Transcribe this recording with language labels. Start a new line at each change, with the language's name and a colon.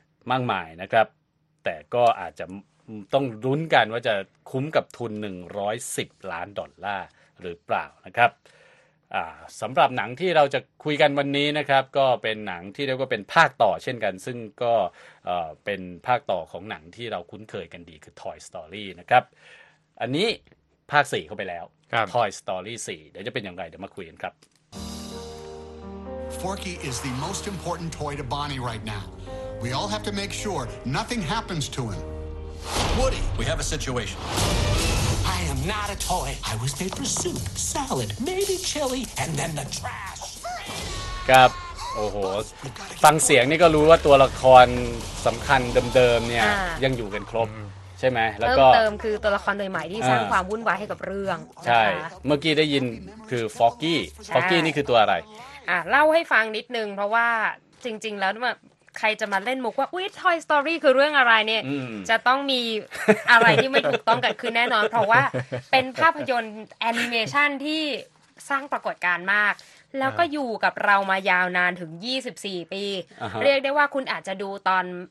Thai: มากมายนะครับแต่ก็อาจจะต้องลุ้นกันว่าจะคุ้มกับทุน110ล้านดอลลาร์หรือเปล่านะครับสำหรับหนังที่เราจะคุยกันวันนี้นะครับก็เป็นหนังที่เรียกว่าเป็นภาคต่อเช่นกันซึ่งก็เป็นภาคต่อของหนังที่เราคุ้นเคยกันดีคือ Toy Story นะครับอันนี้ภาค4เข้าไปแล้ว Toy Story 4เดี๋ยวจะเป็นอย่างไรเดี๋ยวมาคุยกันครับ
English: Forky is the most important toy to Bonnie right now. We all have to make sure nothing happens to him. Woody, we have a situation. I am not a toy. I was made for soup, salad, maybe chili, and then the trash.
Thai: ครับโอ้โหฟังเสียงนี่ก็รู้ว่าตัวละครสำคัญเดิมๆเนี่ยยังอยู่กันครบใช่ไหมแล้วก็ เติมคือตัวละครใหม่ๆที่สร้างความวุ่นวายให้กับเรื่อง ใช่เมื่อกี้ได้ยินคือฟอกกี้ฟอกกี้นี่คือตัวอะไร เล่าให้ฟังนิดนึงเพราะว่าจริงๆแล้วใครจะมาเล่นมุกว่าอุ๊ย Toy Story คือเรื่องอะไรเนี่ยจะต้องมีอะไรที่ไม่ถูกต้องกันคือแน่นอนเพราะว่าเป็นภาพยนตร์แอนิเมชันที่สร้างปรากฏการณ์มากแล้วก็อยู่กับเรามายาวนานถึง24ปีเรียกได้ว่าคุณอาจจะดูตอน